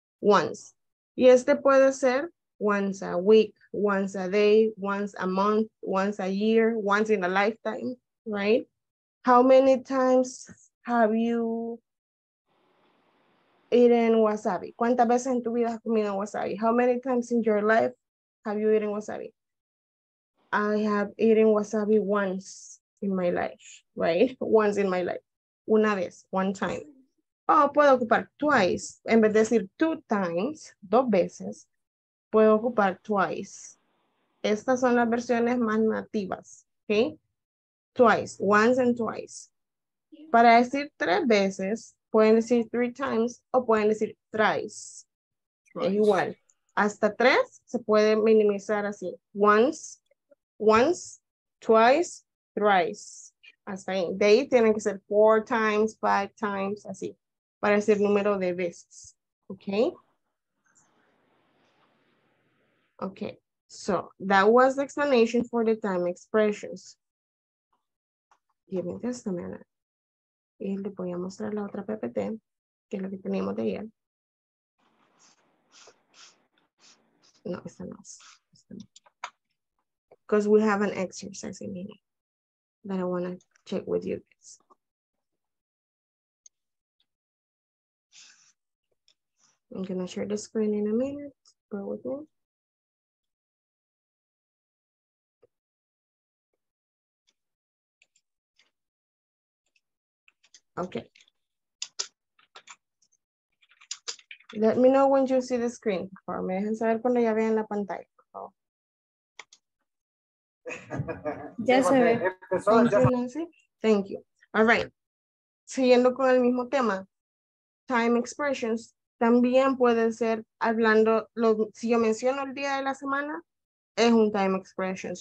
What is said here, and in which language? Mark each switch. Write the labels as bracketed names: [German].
[English] Once. [Spanish] Y este puede ser [English] once a week, once a day, once a month, once a year, once in a lifetime, right? How many times have you eaten wasabi? [Spanish] ¿Cuántas veces en tu vida has comido wasabi? [English] How many times in your life have you eaten wasabi? I have eaten wasabi once in my life, right? Once in my life. [Spanish] Una vez, [English] one time. [Spanish] O puedo ocupar twice. En vez de decir 2 times, 2 veces, puedo ocupar twice. Estas son las versiones más nativas, okay? [English] Twice, once and twice. [Spanish] Para decir 3 veces, pueden decir 3 times o pueden decir thrice. Es igual. Hasta 3 se puede minimizar así. [English] Once, twice, thrice. [Spanish] Hasta ahí. De ahí tienen que ser 4 times, 5 times, así. Para decir número de veces. Okay? [English] Okay. So, that was the explanation for the time expressions. Give me just a minute. [Spanish] Y le voy a mostrar la otra PPT, que es lo que teníamos de ayer. No, esta no es. [English] Because we have an exercise in here that I want to check with you guys. I'm gonna share the screen in a minute. Bear with me. Okay. Let me know when you see the screen. [Spanish] Me dejen saber cuando ya vean la pantalla. Ya se ve. [English] Thank you. All right. [Spanish] Siguiendo con el mismo tema, time expressions también puede ser hablando, si yo menciono el día de la semana, es un time expression.